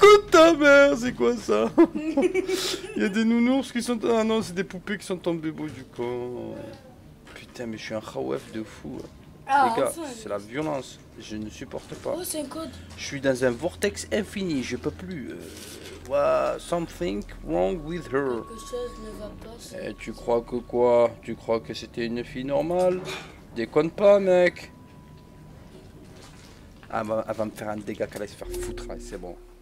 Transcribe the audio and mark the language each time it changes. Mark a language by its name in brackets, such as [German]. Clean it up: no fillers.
[French] Ta mère, c'est quoi ça? Il y a des nounours qui sont... Ah non, c'est des poupées qui sont tombées beau du corps. Putain, mais je suis un khaouef de fou. Ah, les gars, enfin, c'est la violence. Je ne supporte pas. Oh, c'est un code. Je suis dans un vortex infini. Je peux plus. [English] Something wrong with her. [French] Quelque chose ne va pas. Et tu crois que quoi? Tu crois que c'était une fille normale? Déconne pas, mec. Elle va me faire un dégât qu'elle va se faire foutre. Là, c'est bon.